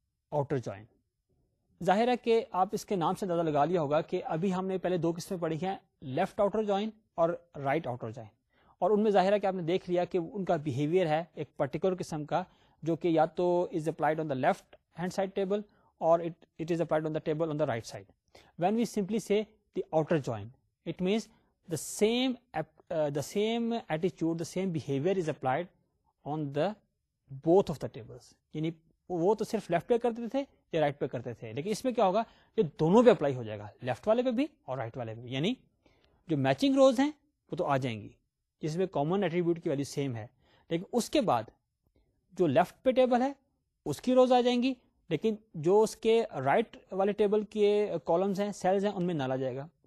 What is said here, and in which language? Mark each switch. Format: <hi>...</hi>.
<ur>Outer join, ظاہر ہے کہ آپ اس کے نام سے اندازہ لگا لیا ہوگا کہ ابھی ہم نے پہلے دو قسمیں پڑھی ہیں, لیفٹ آؤٹر جوائن اور رائٹ آؤٹر جوائن, اور ان میں ظاہر ہے کہ آپ نے دیکھ لیا کہ ان کا بیہیویئر ہے ایک پرٹیکولر قسم کا جو کہ یا تو</ur> <en>is applied on the left hand side table</en> <ur>اور</ur> <en>It is applied on the table on the right side. When we simply سے the outer join, it means the same ایٹیچیوڈ, the same behaviour is applied on the both of the tables.</en> <ur>یعنی وہ تو صرف left پہ کرتے تھے یا right پہ کرتے تھے, لیکن اس میں کیا ہوگا کہ دونوں پہ اپلائی ہو جائے گا, لیفٹ والے پہ بھی اور رائٹ والے پہ بھی. یعنی جو میچنگ روز ہیں وہ تو آ جائیں گی جس میں کامن ایٹریبیوٹ کی ویلیو سیم ہے, لیکن اس کے بعد جو لیفٹ پہ ٹیبل ہے اس کی روز آ جائیں گی, لیکن جو اس کے رائٹ والے ٹیبل کے کالمز ہیں سیلز ہیں ان میں نہ آ جائے گا.</ur>